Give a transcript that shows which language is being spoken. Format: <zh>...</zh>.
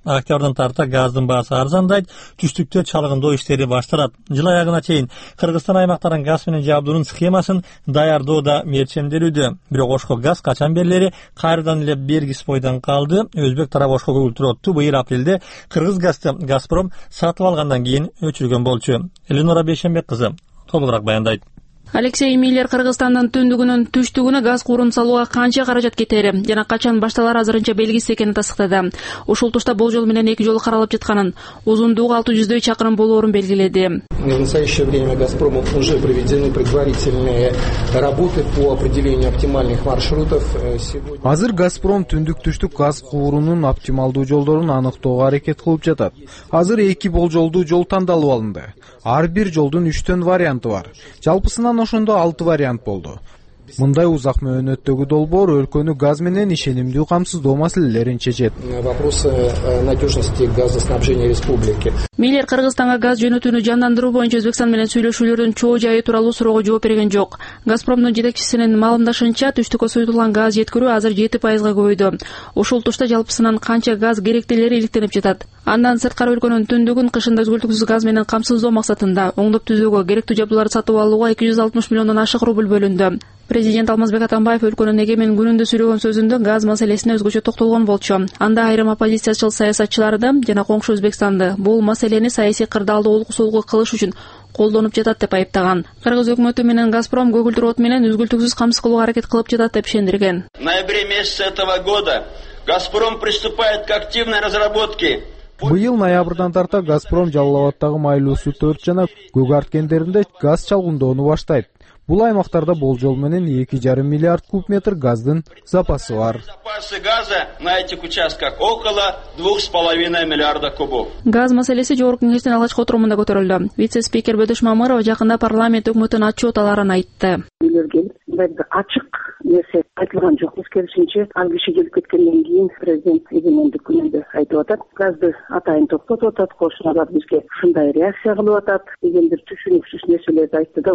<ky>Октябрдан тарта газдын баасы арзандайт, түштүктө чалгындоо иштери башталат. Жыл аягына чейин Кыргызстан аймактарын газ менен жабдуунун схемасын даярдоо да мерчемделүүдө. Бирок Ошко газ качан берилери кайрадан эле бергис бойдон калды. Өзбек тарабы Ошко көгүлтүрөттү быйыл апрелде кыргыз газды Газпром сатып алгандан кийин өчүргөн болчу. Элинора Бейшенбек кызы толугураак баяндайт. Алексей Миллер Кыргызстандын түндүгүнөн түштүгүнө газ куурун салууга канча каражат кетери жана качан башталары азырынча белгисиз экенин тастыктады. Ушул тушта болжол менен эки жолу каралып жатканын, узундугу 600 чакырым болоорун белгиледи.</ky> <ru>В настоящее время Газпромом уже проведены предварительные работы по определению оптимальных маршрутов.</ru> <ky>Азыр Газпром түндүк түштүк газ куурунун оптималдуу жолдорун аныктоого аракет кылып жатат. Азыр эки болжолдуу жол тандалып алынды. Ар бир жолдун 3-4 варианты бар. Жалпысынан ошондо 6 вариант болду. Мындай узак мөөнөттөгү долбоор өлкөнү газ менен ишенимдүү камсыздоо маселелерин чечет.</ky> <ru>Вопросы надежности газоснабжения республики.</ru> <ky>Миллер Кыргызстанга газ жөнөтүүнү жандандыруу боюнча Өзбекстан менен сүйлөшүүлөрдүн чоо жайы тууралуу суроого жооп берген жок. Газпромдун жетекчисинин маалымдашынча, түштүккө суютулган газ жеткирүү азыр 7%га көбөйдү. Ушул тушта жалпысынан канча газ керектелери иликтенип жатат. Андан сырткары өлкөнүн түндүгүн кышында өзгөлтүксүз газ менен камсыздоо максатында оңдоп түзөөгө керектүү жабдууларды сатып алууга 260 миллиондон ашык рубль бөлүндү. Президент Алмазбек Атамбаев өлкөнүн эгемен күнүндө сүйлөгөн сөзүндө газ маселесине өзгөчө токтолгон болчу. Анда айрым оппозициячыл саясатчыларды жана коңшу Өзбекстанды бул маселени саясий кырдаалды олку-солку кылыш үчүн колдонуп жатат деп айыптаган. Кыргыз өкмөтү менен Газпром көгүлтүр оту менен үзгүлтүксүз камсыз кылууга аракет кылып жатат деп ишендирген.</ky> <ru>Ноябрь месяца этого года Газпром приступает к активной разработке.</ru> <ky>Быйыл ноябрдан тарта Газпром Жалал Абадтагы майлуусу 4 жана көк арт кендеринде газ чалгындоону баштайт. Бул аймактарда болжол менен 2,5 миллиард куб метр газдын запасы бар.</ky> <ru>Запасы газа на этих участках около 2,5 миллиарда кубов.</ru> <ky>Газ маселеси жогорку кеңештин алгачкы отурумунда көтөрүлдү. Вице-спикер Бөдөш Мамыров жакында парламент өкмөтүнүн отчёттарын айтты. Ачык нерсе айтылган жок. Биз келишинче ал киши келип кеткенден кийин президент эгемендик күнүндө айтып атат. Газды атайын токтотуп атат, кошуналар бизге ушундай реакция кылып атат деген бир түшүнүксүз нерселерди айтты да.</ky>